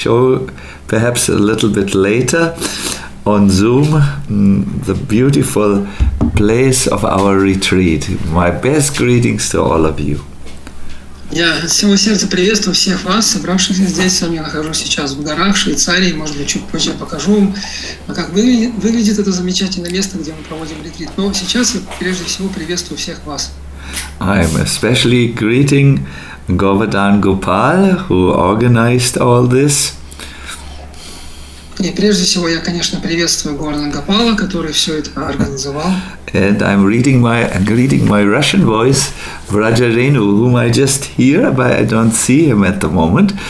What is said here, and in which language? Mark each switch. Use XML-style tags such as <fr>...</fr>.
<en>show perhaps a little bit later on Zoom, the beautiful place of our retreat. My best greetings to all of you.</en> <ru>Я от всего сердца приветствую всех вас, собравшихся здесь. Сам я нахожусь сейчас в горах Швейцарии. Может быть, чуть позже покажу вам, как выглядит это замечательное место, где мы проводим ретрит. Но сейчас я прежде всего приветствую всех вас.</ru> <en>I'm especially greeting Govardhan Gopal, who organized all this.</en> <ru>И прежде всего я, конечно, приветствую Говардхан Гопала, который все это организовал.</ru> <en>And I'm greeting my Russian voice, Vraja Renu, whom I just hear, but I don't see him at the moment.</en>